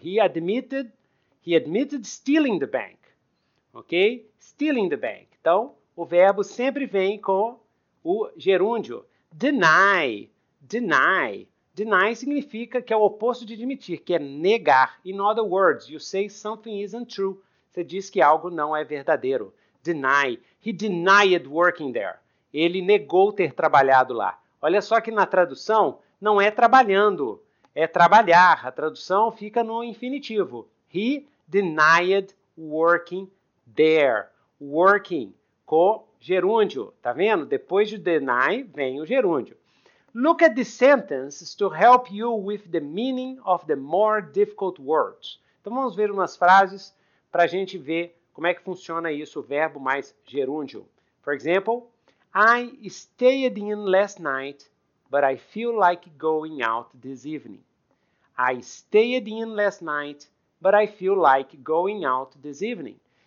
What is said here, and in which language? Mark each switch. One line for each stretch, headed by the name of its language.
English: He admitted stealing the bank. Ok? Stealing the bank.
Portuguese: Então, o verbo sempre vem com o gerúndio. Deny. Deny. Deny significa que é o oposto de admitir, que é negar.
English: In other words, you say something isn't true.
Portuguese: Você diz que algo não é verdadeiro. Deny.
English: He denied working there.
Portuguese: Ele negou ter trabalhado lá. Olha só que na tradução, não é trabalhando, é trabalhar. A tradução fica no infinitivo.
English: He denied working there.
Portuguese: Working, co-gerúndio. Tá vendo? Depois de deny, vem o gerúndio.
English: Look at the sentences to help you with the meaning of the more difficult words.
Portuguese: Então vamos ver umas frases para a gente ver como é que funciona isso, o verbo mais gerúndio.
English: For example, I stayed in last night, but I feel like going out this evening. I stayed in last night, but I feel like going out this evening.